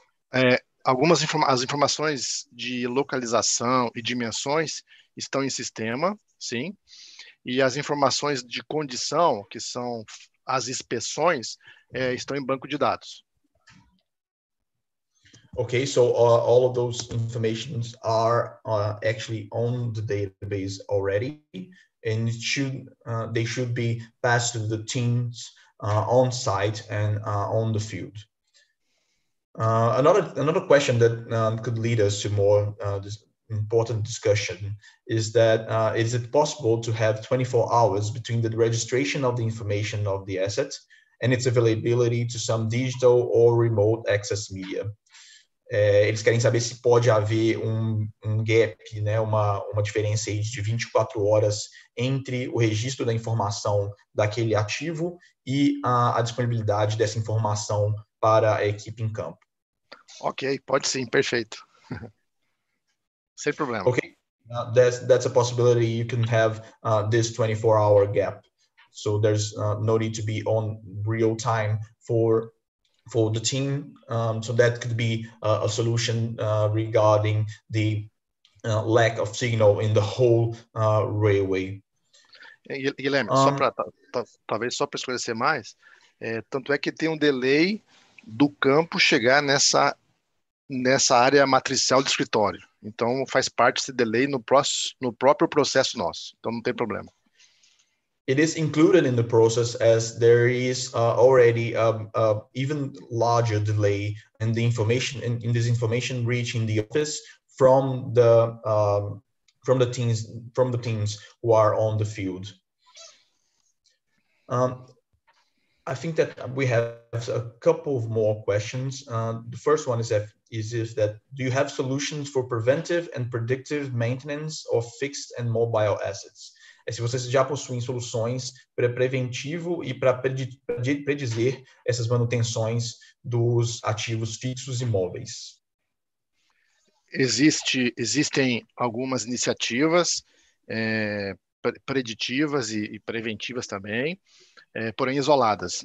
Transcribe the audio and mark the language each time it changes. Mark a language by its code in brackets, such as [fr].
[pt] As informações de localização e dimensões estão em sistema, sim. E as informações de condição, que são as inspeções, estão em banco de dados. [en] Ok, so all of those informations are actually on the database already, and they should be passed to the teams on site and on the field. Another question that could lead us to more this important discussion is that is it possible to have 24 hours between the registration of the information of the asset and its availability to some digital or remote access media? [pt] Eles querem saber se pode haver um gap, né, uma diferença de 24 horas entre o registro da informação daquele ativo e a disponibilidade dessa informação para a equipe em campo. Ok, pode sim, perfeito. Sem problema. [en] Ok, that's a possibility. You can have this 24-hour gap. So there's no need to be on real time for the team. So that could be a solution regarding the lack of signal in the whole railway. [pt] Guilherme, só para talvez só para esclarecer mais, tanto é que tem um delay do campo chegar nessa área matricial do escritório. Então, faz parte desse delay no próprio processo nosso. Então, não tem problema. [en] It is included in the process as there is already a even larger delay in the information, in this information reaching the office from the teams who are on the field. I think that we have a couple of more questions. The first one is do you have solutions for preventive and predictive maintenance of fixed and mobile assets? [pt] É se vocês já possuem soluções para preventivo e para predizer essas manutenções dos ativos fixos e móveis. Existem algumas iniciativas preditivas e preventivas também, porém isoladas.